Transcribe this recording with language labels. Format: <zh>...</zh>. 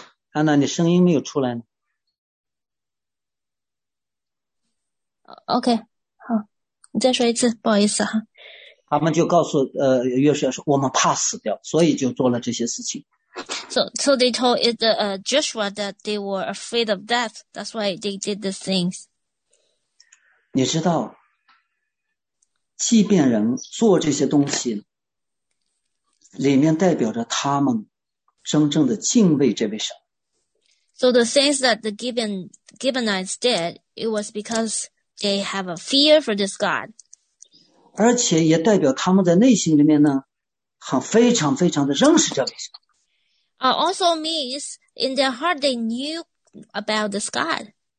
<zh>安娜，你声音没有出来呢。 OK, 好，你再说一次，不好意思哈。他们就告诉约书亚说，我们怕死掉，所以就做了这些事情。</zh> <en>So they told Joshua that they were afraid of death. That's why they did these things.</en> <zh>你知道，欺骗人做这些东西，里面代表着他们真正的敬畏这位神。</zh> <en>So the things that the Gibeonites did, it was because they have a fear for this God.</en> <zh>而且也代表他们在内心里面呢，很非常非常的认识这位神。</zh> <en>Also means in their heart they knew about this God.</en>